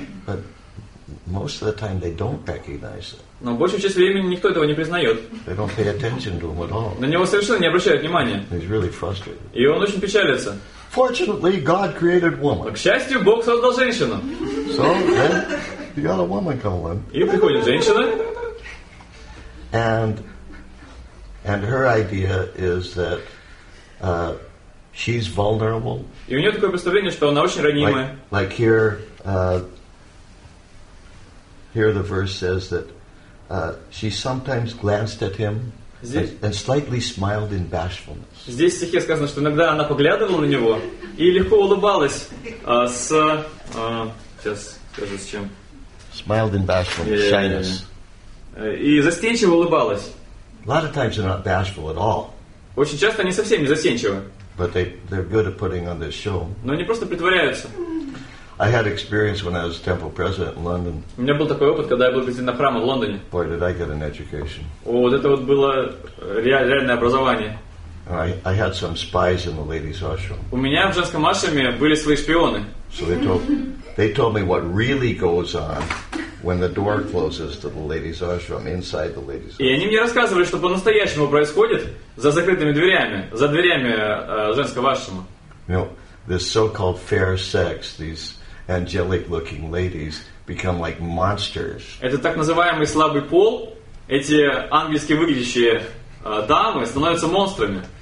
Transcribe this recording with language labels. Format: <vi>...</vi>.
<en>But most of the time they don't recognize it.</en> <ru>Но большую часть времени никто этого не признает.</ru> <en>They don't pay attention to him at all.</en> <ru>На него совершенно не обращают внимания.</ru> <en>He's really frustrated.</en> <ru>И он очень печалится.</ru> <en>Fortunately, God created woman.</en> <ru>К счастью, Бог создал женщину.</ru> <en>So then, you got a woman coming.</en> <ru>И приходит женщина.</ru> <en>And her idea is that she's vulnerable.</en> <ru>И у нее такое представление, что она очень ранимая.</ru> <en>Like here the verse says that she sometimes glanced at him. And slightly smiled in bashfulness.</en> <ru>Здесь в стихе сказано, что иногда она поглядывала на него и легко улыбалась</ru> <en>Smiled in bashfulness, shyness.</en> <ru>И застенчиво улыбалась.</ru> <en>A lot of times they're not bashful at all.</en> <ru>Очень часто они совсем не застенчивы.</ru> <en>But they're good at putting on this show.</en> <ru>Но они просто притворяются.</ru> <en>I had experience when I was temple president in London.</en> <ru>У меня был такой опыт, когда я был президентом храма в Лондоне.</ru> <en>Boy, did I get an education.</en> <ru>Вот это вот было реальное образование.</ru> <en>I had some spies in the ladies' ashram.</en> <ru>У меня в женском ашраме были свои шпионы.</ru> <en>So they told me what really goes on when the door closes to the ladies' ashram, inside the ladies' ashram.</en> <ru>И они мне рассказывали, что по-настоящему происходит за закрытыми дверями, за дверями женского ашрама.</ru> <en>This so-called fair sex, these angelic-looking ladies, become like monsters.</en> <ru>Это так называемый слабый пол, эти ангельски выглядящие Да, мы становимся монстрами.</ru>